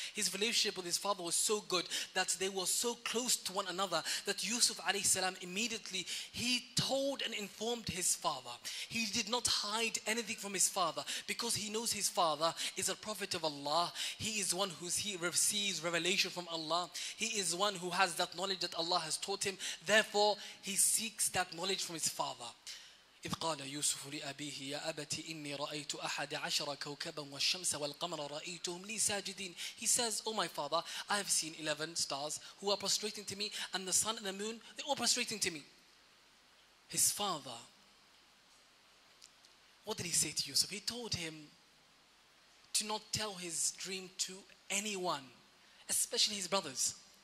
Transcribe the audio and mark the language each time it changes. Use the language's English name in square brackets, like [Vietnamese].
[English] His relationship with his father was so good that they were so close to one another that Yusuf alayhi salam immediately, he told and informed his father. He did not hide anything from his father, because he knows his father is a prophet of Allah. He is one who receives revelation from Allah. He is one who has that knowledge that Allah has taught him. Therefore, he seeks that knowledge from his father. [Arabic] إذ قال يوسف لأبيه يا أبتي إني رأيت أحد عشر كوكبا والشمس والقمر رأيتهم لي ساجدين. [English] He says, oh my father, I have seen 11 stars who are prostrating to me, and the sun and the moon, they're all prostrating to me. His father, what did he say to Yusuf? He told him to not tell his dream to anyone, especially his brothers.